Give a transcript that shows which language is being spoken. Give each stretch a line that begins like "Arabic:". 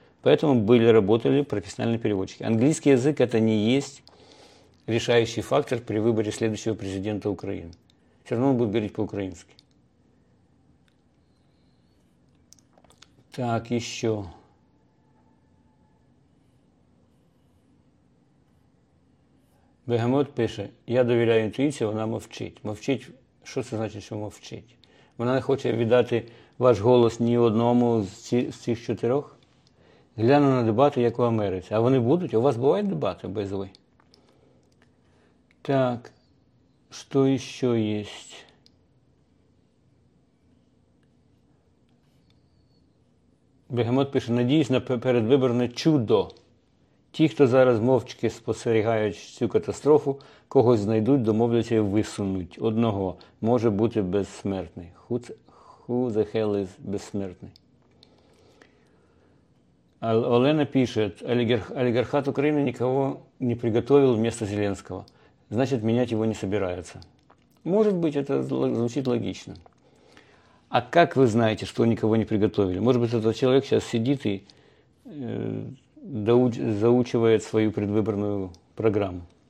Russian: Поэтому работали профессиональные переводчики. Английский язык – это не есть решающий фактор при выборе следующего президента Украины. Все равно он будет говорить по-украински. Так, еще.
Ukrainian: Бегемот пише,
Russian: я доверяю интуиции,
Ukrainian: вона мовчить. Мовчить, що це значить, що мовчить? Вона не хоче віддати ваш голос ні одному з цих чотирьох? Гляну на дебати, як у Америці. А вони будуть? У вас бувають дебати, без ви? Так, що ще є? Бегемот пише, надіюсь на передвиборне чудо. Ті, хто зараз мовчки спостерігають цю катастрофу, когось знайдуть, домовляться і висунуть. Одного може бути безсмертний.
English: Who the hell is безсмертний?
Russian: Олена пишет, олигархат Украины никого не приготовил вместо Зеленского. Значит, менять его не собираются. Может быть, это звучит логично. А как вы знаете, что никого не приготовили? Может быть, этот человек сейчас сидит и заучивает свою предвыборную программу.